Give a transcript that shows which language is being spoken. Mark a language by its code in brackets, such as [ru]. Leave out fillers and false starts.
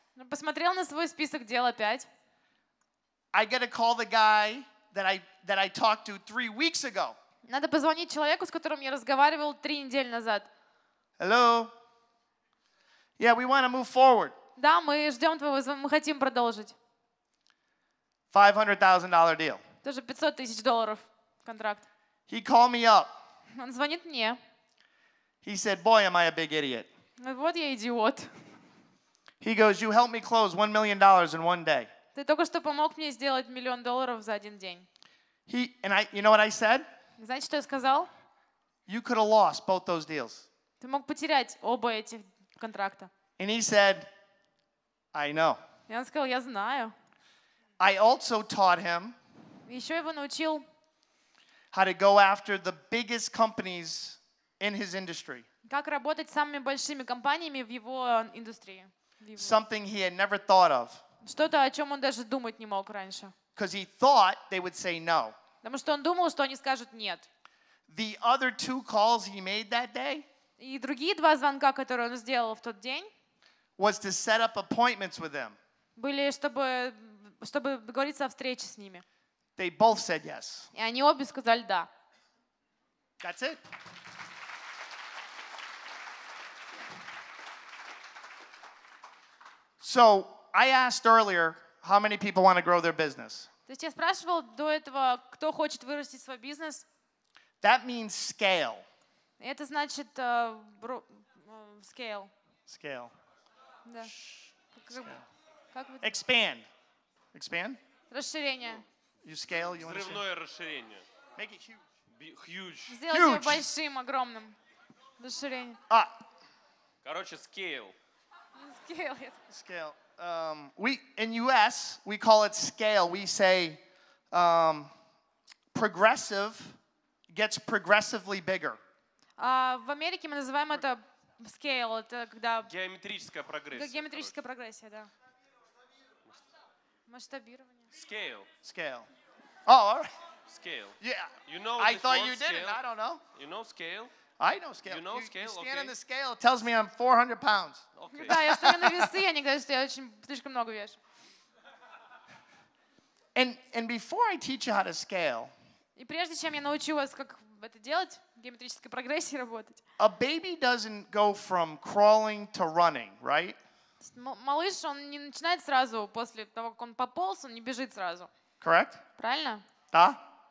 [ru] Посмотрел на свой список дел опять. [en] I get to call the guy that I talked to 3 weeks ago. [ru] Надо позвонить человеку, с которым я разговаривал 3 недели назад. [en] Hello. Yeah, we want to move forward. [ru] Да, мы ждем твоего звонка, мы хотим продолжить. [en] $500,000 deal. [ru] Тоже $500,000 контракт. [en] He called me up. [ru] Он звонит мне. [en] He said, "Boy, am I a big idiot." [ru] Вот я идиот. [en] He goes, "You helped me close $1 million in one day." [ru] Ты только что помог мне сделать миллион долларов за один день. [en] He and I, you know what I said? [ru] Знаете, что я сказал? [en] You could have lost both those deals. [ru] Ты мог потерять оба этих контракта. [en] And he said, "I know." [ru] И он сказал, я знаю. [en] I also taught him. [ru] Еще его научил. [en] How to go after the biggest companies in his industry. [ru] Как работать с самыми большими компаниями в его индустрии. [en] Something he had never thought of. [ru] Что-то, о чем он даже думать не мог раньше. [en] Because he thought they would say no. [ru] Потому что он думал, что они скажут нет. [en] The other two calls he made that day. [ru] И другие два звонка, которые он сделал в тот день. [en] Was to set up appointments with them. [ru] Были, чтобы договориться о встрече с ними. [en] They both said yes. [ru] И они обе сказали да. [en] That's it. So I asked earlier how many people want to grow their business. [ru] То есть я спрашивал до этого, кто хочет вырастить свой бизнес. [en] That means scale. [ru] Это значит scale. [en] Scale. [ru] Да. [en] Expand. Expand? [ru] Расширение. [en] You scale, you want to [ru] Взрывное расширение. [en] Make it huge. Huge. [ru] Сделать его большим, огромным. Расширение. А. Короче, scale. [en] Scale. Scale. We in US we call it scale. We say progressive gets progressively bigger. [ru] В Америке мы называем это scale. Это когда геометрическая прогрессия. Геометрическая прогрессия, да. Масштабирование. [en] Scale. Scale. Oh, all right. Scale. Yeah. You know I thought you did it. I don't know. You know scale? I know scale. You know scale? You stand okay. on the scale, it tells me I'm 400 pounds. Okay. [ru] Да, я стою на весы, они говорят, что я очень слишком много вешу. [en] And before I teach you how to scale. [ru] И прежде чем я научу вас как это делать, геометрической прогрессии работать. [en] A baby doesn't go from crawling to running, right? [ru] Малыш, он не начинает сразу после того, как он пополз, он не бежит сразу. [en] Correct? [ru] Правильно? Да.